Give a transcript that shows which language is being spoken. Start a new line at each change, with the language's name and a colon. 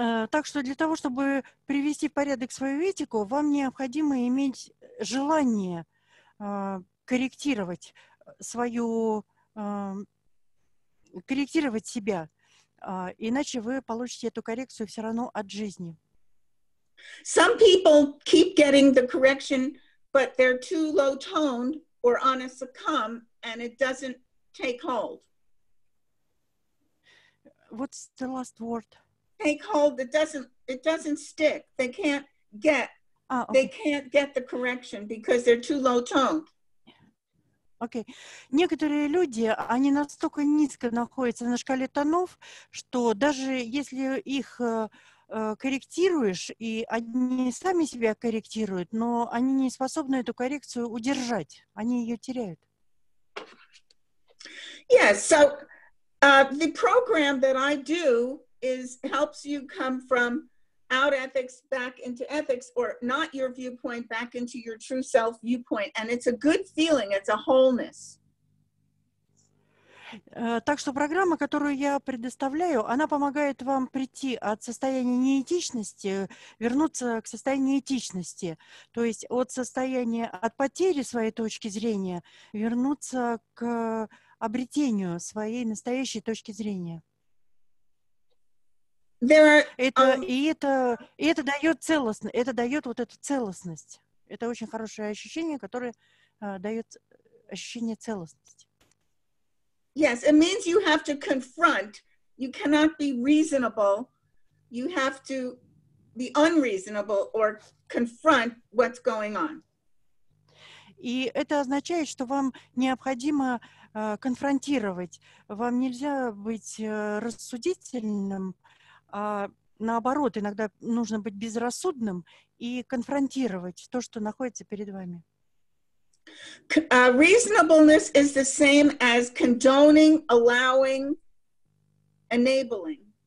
Russian: Так что для того, чтобы привести в порядок свою этику, вам необходимо иметь желание корректировать свою, корректировать себя, иначе вы получите эту коррекцию все равно от жизни.
English: Some people keep getting the correction, but they're too low-toned or on a succumb, and it doesn't take hold. What's the last word? Take hold. It doesn't stick. They can't get. Okay. They can't get the correction because they're too low toned. Okay.
Russian: Некоторые люди, они настолько низко находятся на шкале тонов, что даже если их корректируешь, и они сами себя корректируют, но они не способны эту коррекцию удержать. Они ее теряют.
English: Yes. So the program that I do is helps you come from out ethics back into ethics, or not your viewpoint, back into your true self viewpoint, and it's a good feeling, it's a wholeness.
Russian: Так что программа, которую я предоставляю, она помогает вам прийти от состояния неэтичности, вернуться к состоянию этичности, то есть от состояния, от потери своей точки зрения, вернуться к обретению своей настоящей точки зрения. Это дает целостность, это дает вот эту целостность. Это очень хорошее ощущение, которое дает ощущение целостности.
English: Yes, it means you have to confront. You cannot be reasonable. You have to be unreasonable or confront what's going on.
Russian: И это означает, что вам необходимо конфронтировать. Вам нельзя быть рассудительным. А наоборот, иногда нужно быть безрассудным и конфронтировать то, что находится перед вами.
English: Reasonableness is the same as condoning, allowing, enabling.